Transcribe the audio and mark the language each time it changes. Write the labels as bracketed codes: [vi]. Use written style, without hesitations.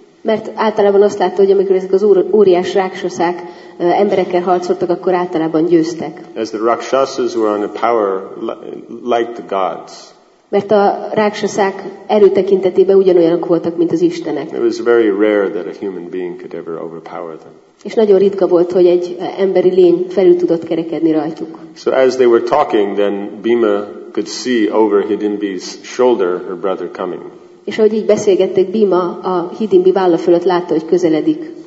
[hu] Mert általában azt látta, hogy amikor ezek az óriás rákshaszák emberekkel harcoltak, akkor általában győztek. [en] As the rakshasas were on a power like the gods. [hu] Mert a rákshaszák erőtekintetében ugyanolyanok voltak, mint az istenek. [en] It was very rare that a human being could ever overpower them. [hu] És nagyon ritka volt, hogy egy emberi lény felül tudott kerekedni rajtuk. [en] So as they were talking, then Bhima could see over Hidimbi's shoulder her brother coming. [hu] És ahogy így beszélgették, Bhima a Hidimbi válla fölött látta, hogy közeledik.